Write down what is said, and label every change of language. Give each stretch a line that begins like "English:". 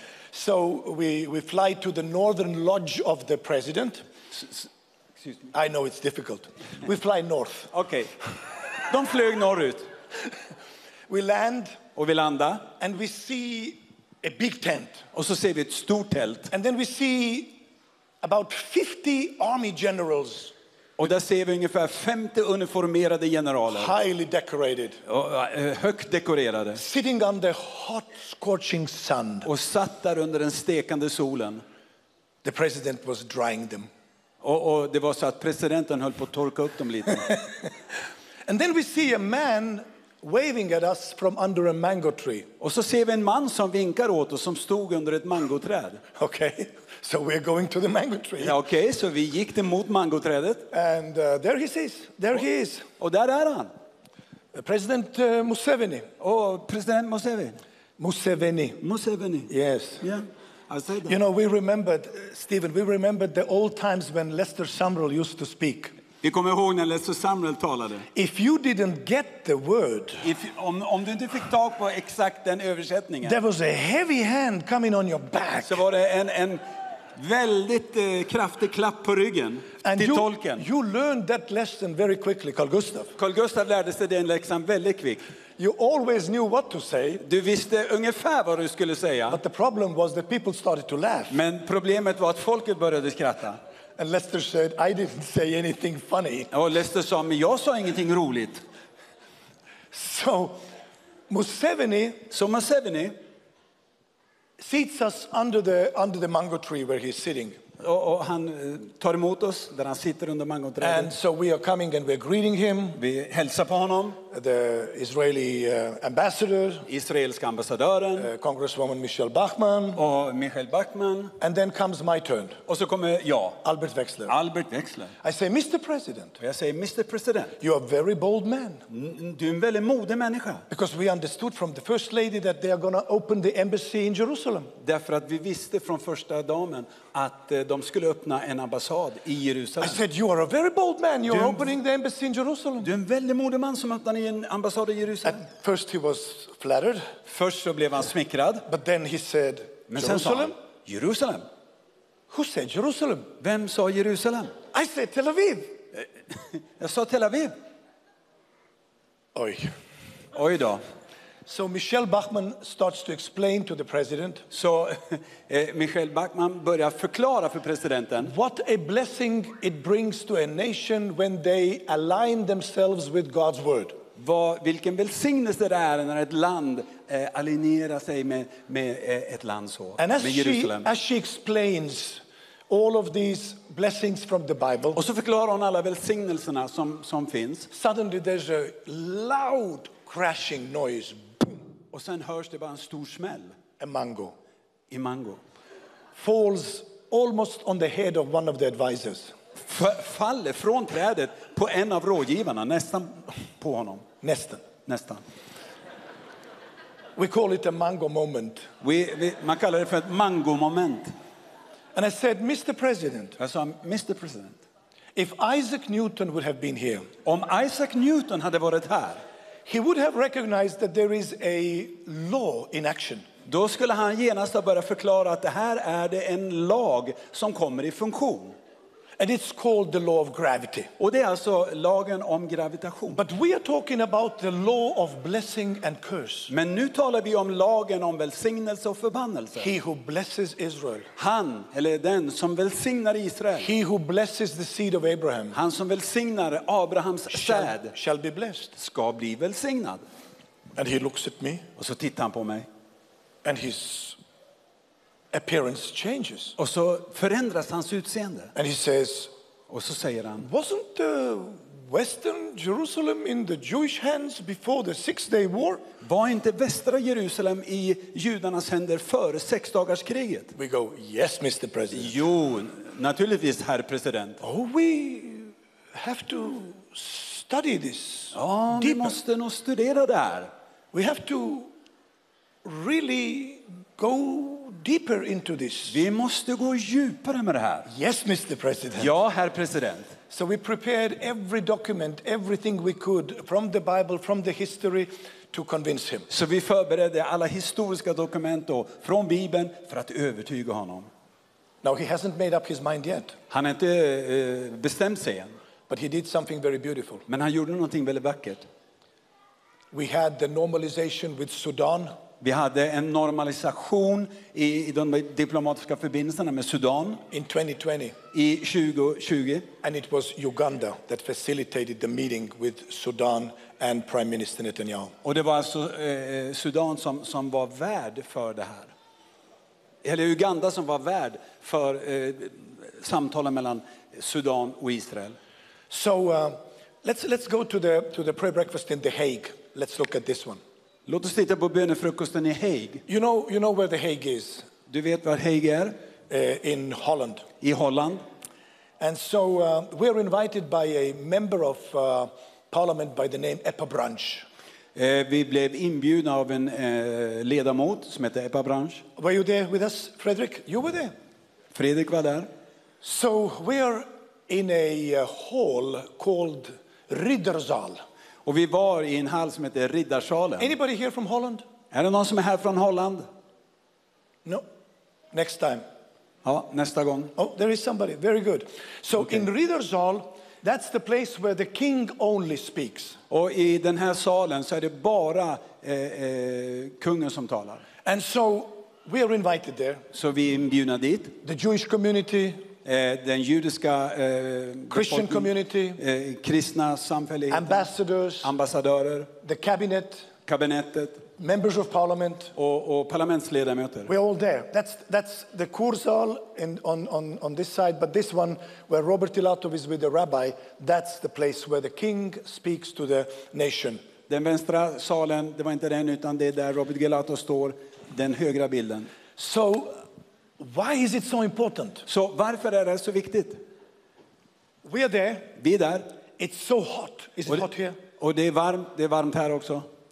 English: So we fly to the northern lodge of the president. I know it's difficult. We fly north.
Swedish: Okej. De flög norrut.
English: We land.
Swedish: Och vi landar.
English: And we see a big tent.
Swedish: Och så ser vi ett stort tält.
English: And then we see about 50 army generals.
Swedish: Och där ser vi ungefär 50 uniformerade generaler.
English: Highly decorated.
Swedish: Högt dekorerade.
English: Sitting under hot scorching sun.
Swedish: Och satt där under den stekande solen.
English: The president was drying them.
Swedish: Och det var så att presidenten höll på att torka upp dem lite.
English: And then we see a man waving at us from under a mango tree.
Swedish: Och så ser vi en man som vinkar åt oss som stod under ett mangoträd.
English: Okay. So we're going to the mango tree.
Swedish: Ja, okay, så vi gick emot mangoträdet.
English: And there he is. There he is.
Swedish: Och där är han.
English: President Museveni. Oh, President Museveni. Museveni. Museveni. Yes. Yeah. I said that. You know, we remembered, Stephen, we remembered the old times when Lester Sumrall used to speak.
Swedish: Vi kommer ihåg när Lester Sumrall talade.
English: If you didn't get the word.
Swedish: Om du inte fick tag på exakt den översättningen.
English: There was a heavy hand coming on your back.
Swedish: Så var det en väldigt kraftig klapp på ryggen till tolken.
English: You learned that lesson very quickly, Carl Gustav.
Swedish: Carl Gustav lärde sig den läxan väldigt kvickt.
English: You always knew what to say.
Swedish: Du visste ungefär vad du skulle säga.
English: But the problem was that people started to laugh.
Swedish: Men problemet var att folket började skratta.
English: And Lester said, "I didn't say anything funny."
Swedish: Och Lester sa, "Men jag sa ingenting roligt."
English: So Museveni, seats us under the mango tree where he's sitting.
Swedish: Och han tar emot oss där han sitter under mangoträdet.
English: And so we are coming and we're greeting him.
Swedish: Vi hälsar på honom.
English: The Israeli ambassador.
Swedish: Israelska ambassadören.
English: Congresswoman Michelle Bachmann.
Swedish: Och Michelle Bachmann.
English: And then comes my turn.
Swedish: Och så kommer jag.
English: Albert Wexler.
Swedish: Albert Wexler.
English: I say, Mr. President.
Swedish: Och jag säger, Mr. President.
English: You are a very bold man.
Swedish: Du är en väldigt modig människa.
English: Because we understood from the first lady that they are going to open the embassy in Jerusalem.
Swedish: Därför att vi visste från första damen att de skulle öppna en ambassad i Jerusalem.
English: I said, you are a very bold man. You are opening the embassy in Jerusalem.
Swedish: Du är en väldigt modig man som öppnar en ambassad i Jerusalem.
English: At first he was flattered.
Swedish: Först så blev han smickrad.
English: But then he said, Jerusalem? Jerusalem. Who said Jerusalem?
Swedish: Vem sa Jerusalem?
English: I said Tel Aviv.
Swedish: Jag sa Tel Aviv. Oj. Oj då.
English: So Michelle Bachmann starts to explain to the president.
Swedish: Så Michelle Bachmann börjar förklara för presidenten.
English: What a blessing it brings to a nation when they align themselves with God's word.
Swedish: Vilken välsignelse det är när ett land alignerar sig med ett land så, med Jerusalem.
English: As she explains all of these blessings from the Bible.
Swedish: Och så förklarar hon alla välsignelserna som finns.
English: Suddenly there's a loud crashing noise.
Swedish: Och sen hörs det bara en stor smäll.
English: A mango. Falls almost on the head of one of the advisors.
Swedish: Faller från trädet på en av rådgivarna, nästan på honom. Nästan.
English: We call it a mango moment.
Swedish: Man kallar det för ett
English: mango moment. And I said, Mr. President.
Swedish: Jag sa, Mr. President.
English: If Isaac Newton would have been here.
Swedish: Om Isaac Newton hade varit här.
English: He would have recognized that there is a law in action.
Swedish: Då skulle han genast ha börjat förklara att det här är det en lag som kommer i funktion.
English: And it's called the law of gravity.
Swedish: Och det är alltså lagen om gravitation.
English: But we are talking about the law of blessing and curse.
Swedish: Men nu talar vi om lagen om välsignelse och förbannelse.
English: He who blesses Israel.
Swedish: Han eller den som välsignar Israel.
English: He who blesses the seed of Abraham.
Swedish: Han som välsignar Abrahams säd.
English: Shall be blessed.
Swedish: Ska bli välsignad.
English: And he looks at me.
Swedish: Och så tittar han på mig.
English: And his appearance changes.
Swedish: Och så förändras hans utseende.
English: And he says,
Swedish: och så säger han,
English: wasn't the Western Jerusalem in the Jewish hands before the Six-Day War?
Swedish: Var inte västra Jerusalem i judarnas händer före sexdagarskriget?
English: We go, yes, Mr. President.
Swedish: Jo, naturligtvis, herr president.
English: Oh, we have to study this.
Swedish: Ja, vi måste nog studera där.
English: We have to really go deeper into this.
Swedish: Vi måste gå djupare med det här.
English: Yes, Mr. President.
Swedish: Ja, herr president.
English: So we prepared every document, everything we could from the Bible, from the history to convince him.
Swedish: Så vi förberedde alla historiska dokument då, från Bibeln för att övertyga honom.
English: Now he hasn't made up his mind yet.
Swedish: Han har inte bestämt sig än.
English: But he did something very beautiful.
Swedish: Men han gjorde någonting väldigt vackert.
English: We had the normalization with Sudan.
Swedish: Vi hade en normalisation i de diplomatiska förbindelserna med Sudan
English: in 2020.
Swedish: I 2020.
English: And it was Uganda that facilitated the meeting with Sudan and Prime Minister Netanyahu.
Swedish: Och det var alltså Sudan som var värd för det här. Eller Uganda som var värd för samtalen mellan Sudan och Israel.
English: So let's go to the prayer breakfast in The Hague. Let's look at this one.
Swedish: Låt oss titta på bönefrukosten i Hague.
English: You know where the Hague is.
Swedish: Du vet var Hague är?
English: In Holland.
Swedish: I Holland.
English: And so we are invited by a member of parliament by the name Ebba Brunch.
Swedish: Vi blev inbjudna av en ledamot som heter Ebba Brunch.
English: Were you there with us, Fredrik? You were there.
Swedish: Fredrik var där.
English: So we are in a hall called Riddersaal.
Swedish: Och vi var i en hall som heter Riddarsalen.
English: Anybody here from Holland?
Swedish: Är det någon som är här från Holland?
English: No. Next time.
Swedish: Ja, nästa gång.
English: Oh, there is somebody. Very good. So okay. In Riddarsal, that's the place where the king only speaks.
Swedish: Och i den här salen så är det bara kungen som talar.
English: And so we are invited there.
Swedish: Så vi är inbjudna dit.
English: The Jewish community.
Swedish: Den judiska
English: Christian community,
Swedish: kristna samfälligheter,
English: ambassadörer, the cabinet,
Swedish: kabinettet,
English: members of parliament,
Swedish: och parlamentsledamöter.
English: We're all there. That's the Kursaal on this side, but this one where Robert Ilatov is with the rabbi, that's the place where the king speaks to the nation.
Swedish: Den vänstra salen, det var inte den, utan det är där Robert Ilatov står, den högra bilden.
English: So why is it so important?
Swedish: Så varför är det så viktigt?
English: We are there.
Swedish: Vi är där.
English: It's so hot. Is it hot here?
Swedish: Och det är varmt här också.